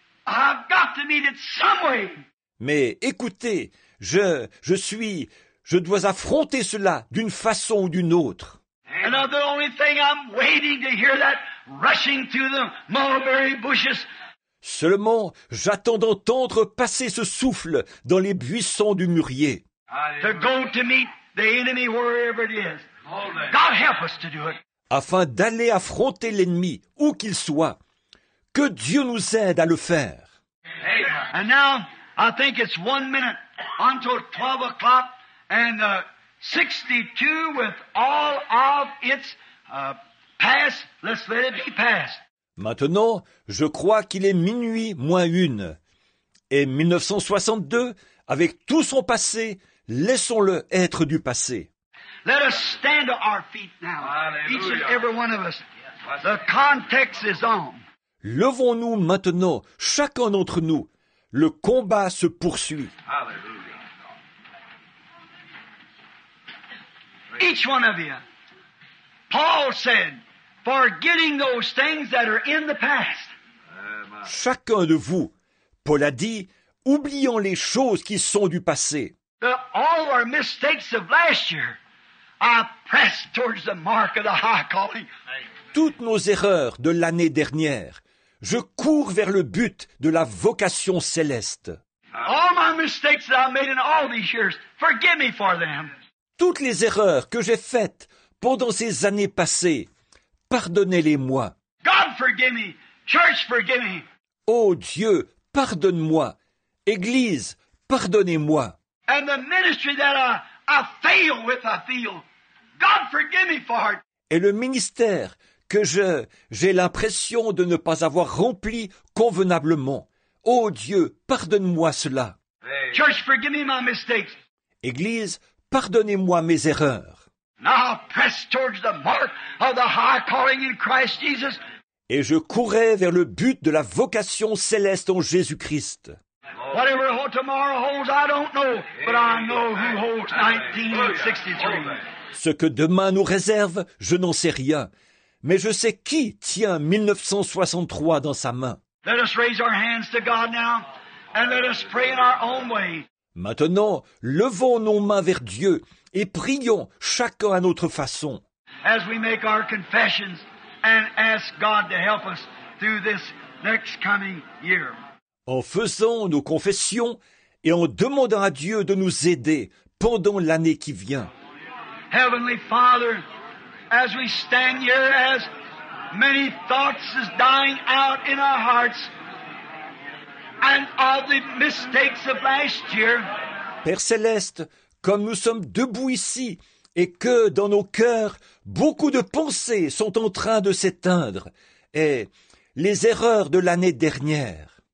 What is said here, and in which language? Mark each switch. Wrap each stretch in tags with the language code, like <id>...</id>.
<en>I've got to meet it some way.</en> <fr>Mais écoutez, je dois affronter cela d'une façon ou d'une autre.</fr> <en>And the only thing I'm waiting to hear that rushing through the mulberry bushes.</en> <fr>Seulement, j'attends d'entendre passer ce souffle dans les buissons du mûrier.</fr> <en>To go to meet the enemy wherever it is. God help us to do it.</en> <fr>Afin d'aller affronter l'ennemi où qu'il soit. Que Dieu nous aide à le faire.</fr> <en>And now, I think it's 1 minute until 12 o'clock, and 62 with all of its past, let's let it be past.</en> <fr>Maintenant, je crois qu'il est minuit moins une. Et 1962, avec tout son passé, laissons-le être du passé.</fr> <en>Let us stand to our feet now, Hallelujah. Each and every one of us. Wow. The context is on.</en> <fr>Levons-nous maintenant, chacun d'entre nous. Le combat se poursuit.</fr> <en>Hallelujah. Each one of you. Paul said, forgetting those things that are in the past.</en> <fr>Chacun de vous, Paul a dit, oubliant les choses qui sont du passé.</fr> <en>All our mistakes of last year, I press towards the mark of the high calling.</en> <fr>Toutes nos erreurs de l'année dernière, je cours vers le but de la vocation céleste.</fr> <en>All my mistakes that I've made in all these years, forgive me for them.</en> <fr>Toutes les erreurs que j'ai faites pendant ces années passées, pardonnez-les-moi.</fr> <en>God forgive me. Church, forgive me.</en> <fr>Oh Dieu, pardonne-moi. Église, pardonnez-moi.</fr> <en>And the ministry that I fail with, I feel. God forgive me for it.</en> <fr>Et le ministère que j'ai l'impression de ne pas avoir rempli convenablement. Oh Dieu, pardonne-moi cela. Hey.</fr> <en>Church, forgive me my mistakes.</en> <fr>Église, pardonnez-moi mes erreurs.</fr> <en>Now press towards the mark of the high calling in Christ Jesus.</en> <fr>Et je courrai vers le but de la vocation céleste en Jésus-Christ.</fr> <en>Whatever tomorrow holds, I don't know, but I know who holds 1963.</en> <fr>Ce que demain nous réserve, je n'en sais rien. Mais je sais qui tient 1963 dans sa main.</fr> <en>Let us raise our hands to God now, and let us pray in our own way.</en> <fr>Maintenant, levons nos mains vers Dieu et prions chacun à notre façon.</fr> <en>As we make our confessions, and ask God to help us through this next coming year.</en> <fr>En faisant nos confessions et en demandant à Dieu de nous aider pendant l'année qui vient.</fr> <en>Heavenly Father, as we stand here, as many thoughts is dying out in our hearts, and all the mistakes of last year.</en> <fr>Père céleste, comme nous sommes debout ici. Et que dans nos cœurs, beaucoup de pensées sont en train de s'éteindre, et les erreurs de l'année dernière.</fr>